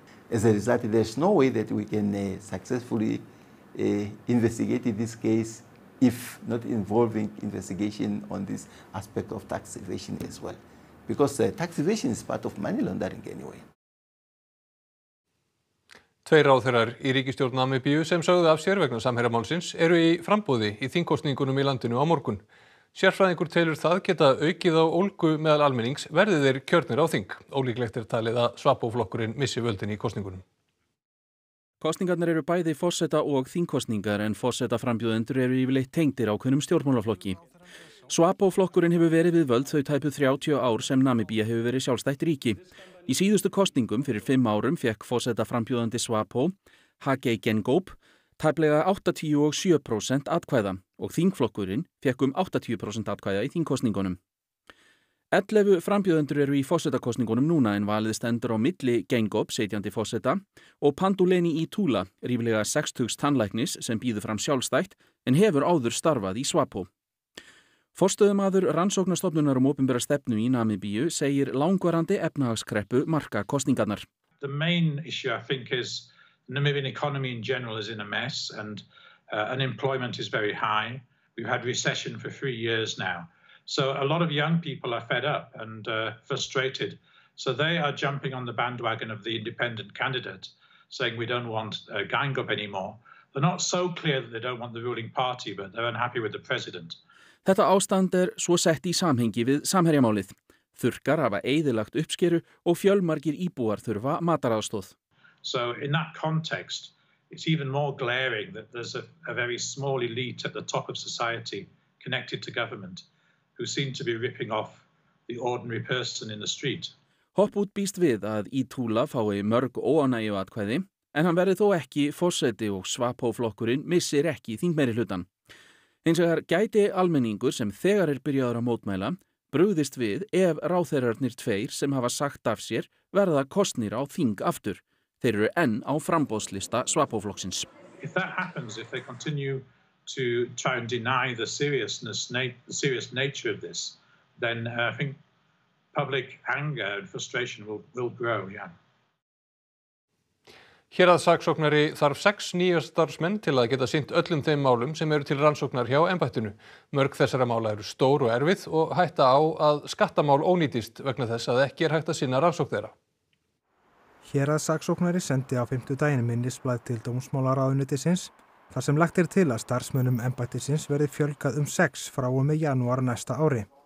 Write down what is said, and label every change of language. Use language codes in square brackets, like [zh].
[en] As a result, there's no way that we can successfully investigate this case if not involving investigation on this aspect of tax evasion as well. Because tax evasion is part of money laundering anyway. [is] Tveir ráðherrar í ríkisstjórn Namibíu sem sögðu af sér vegna samherjamálsins eru í framboði í þingkosningunum í landinu á morgun. Sérfræðingur telur það geta aukið á ólgu meðal almennings verði þeir kjörnir á þing. Ólíklegt talið að Swapo-flokkurinn missi völdin í kosningunum. Kosningarnar eru bæði forseta og þingkosningar en forseta frambjóðendur eru yfirleitt tengdir ákveðnum stjórnmálaflokki. Swapo-flokkurinn hefur verið við völd þau tæpu 30 ár sem Namibía hefur verið sjálfstætt ríki. Í síðustu kosningum fyrir 5 árum fékk forseta frambjóðandi Swapo, Hage Geingob, tæplega 87% atkvæða og þingflokkurinn fekk 80% atkvæða í þingkosningunum. 11 frambjóðendur eru í forsetakosningunum núna en valið stendur á milli Geingob, sitjandi forseta, og Panduleni Itula, ríflega 60 tannlæknis sem býður fram sjálfstætt en hefur áður starfað í Swapo. Forstöðumaður rannsóknastofnunar opinbera stefnu í Namibíu segir langvarandi efnahagskreppu marka kosningarnar. [en] The main issue I think is Namibian economy in general is in a mess and unemployment is very high. We've had recession for 3 years now. So a lot of young people are fed up and frustrated. So they are jumping on the bandwagon of the independent candidate, saying we don't want Geingob anymore. They're not so clear that they don't want the ruling party, but they're unhappy with the president. [is] Þetta ástand svo sett í samhengi við samherjamálið. Þurrkar hafa eyðilagt uppskeru og fjölmargir íbúar þurfa mataraðstóð. [en] So in that context, it's even more glaring that there's a very small elite at the top of society connected to government who seem to be ripping off the ordinary person in the street. [is] Hopp út býst við að Itula fái mörg óanægjuatkvæði, en hann verði þó ekki forseti og Svapóflokkurinn missir ekki þingmeiri hlutan. Hins vegar gæti almenningur sem þegar byrjaður að mótmæla brugðist við ef ráðherrarnir tveir sem hafa sagt af sér verða kosnir á þing aftur. Þeir eru enn á framboðslista Svapóflokksins. [en] If that happens, if they continue to try and deny the seriousness, the serious nature of this, then I think public anger and frustration will grow, yeah. [is] Hér að saksóknari þarf 6 nýja starfsmenn til að geta sinnt öllum þeim málum sem eru til rannsóknar hjá embættinu. Mörg þessara mála eru stór og erfið og hætta á að skattamál ónýtist vegna þess að ekki hægt að sinna rannsókn þeirra. Hér að saksóknari sendi á 5. daginn minnisblað til dómsmálaráðuneytisins þar sem lagt til að starfsmönnum embættisins verði fjölgað 6 frá og með janúar næsta ári.